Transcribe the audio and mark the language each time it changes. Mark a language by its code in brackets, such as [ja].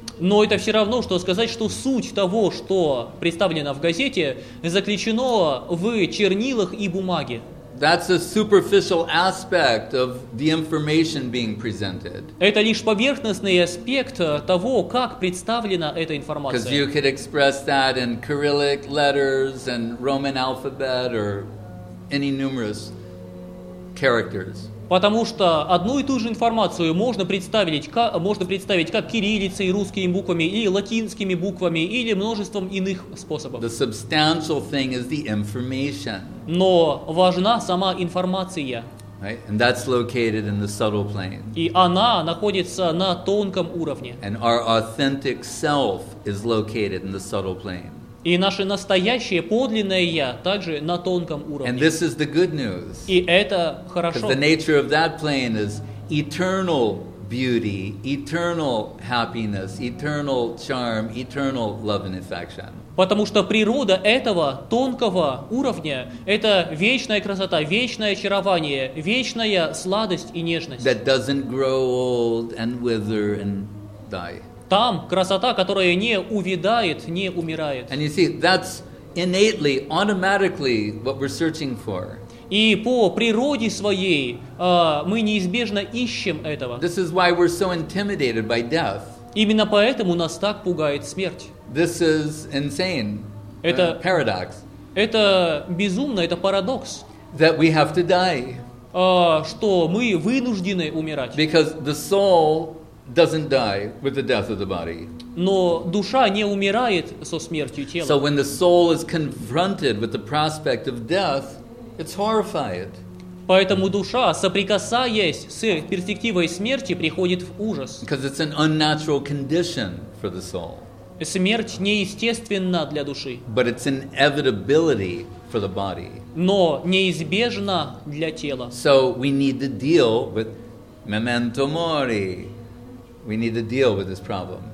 [ru] Но это все равно, что сказать, что суть того, что представлено в газете, заключено в чернилах и бумаге. [en] That's a superficial aspect of the information being presented. [ru] Это лишь поверхностный аспект того, как представлена эта информация. [en] Because you could express that in Cyrillic letters and Roman alphabet or any numerous characters. [ru] Потому что одну и ту же информацию можно представить как кириллицей, русскими буквами, или латинскими буквами, или множеством иных способов. [en] The substantial thing is the information. [ru] Но важна сама информация. [en] Right? And that's located in the subtle plane. [ru] И она находится на тонком уровне. [en] And our authentic self is located in the subtle plane. [ru] И наше настоящее, подлинное «я» также на тонком уровне. [en] And this is the good news. [ru] И это хорошо. [en] Because the nature of that plane is eternal beauty, eternal happiness, eternal charm, eternal love and affection. [ru] Потому что природа этого тонкого уровня – это вечная красота, вечное очарование, вечная сладость и нежность. [en] That doesn't grow old and wither and die. [ru] Там красота, которая не увядает, не умирает. [en] And you see, that's innately, automatically what we're searching for. [ru] И по природе своей мы неизбежно ищем этого. [en] This is why we're so intimidated by death. [ru] Именно поэтому нас так пугает смерть. [en] This is insane. [ru] Это paradox. Это безумно, это парадокс. [en] That we have to die. [ru] Что мы вынуждены умирать. [en] Because the soul doesn't die with the death of the body. [ru] Но душа не умирает со смертью тела. [en] So when the soul is confronted with the prospect of death, it's horrified. [ru] Поэтому душа, соприкасаясь с перспективой смерти, приходит в ужас. [en] Because it's an unnatural condition for the soul. [ru] Смерть неестественна для души. [en] But it's inevitability for the body. [ru] Но неизбежна для тела. [en] So we need to deal with memento mori. We need to deal with this problem.